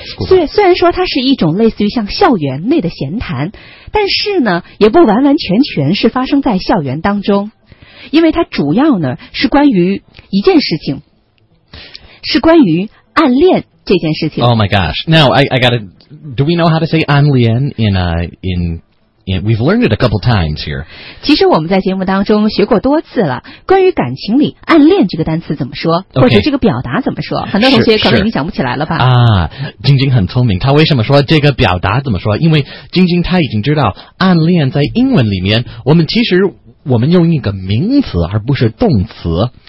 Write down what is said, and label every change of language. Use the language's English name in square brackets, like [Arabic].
[Chinese] 虽然说它是一种类似于像校园内的闲谈，但是呢，也不完完全全是发生在校园当中，因为它主要呢是关于一件事情，是关于暗恋这件事情。 [English] Oh my gosh! Now I gotta. Do we know how to say 暗恋 in? Yeah, we've learned it a couple times here. [Chinese] 其实我们在节目当中学过多次了，关于感情里暗恋这个单词怎么说、 [English] okay. [Chinese] 或者这个表达怎么说，很多同学可能已经想不起来了吧。啊，晶晶很聪明，她为什么说这个表达怎么说？因为晶晶她已经知道暗恋在英文里面，我们用一个名词而不是动词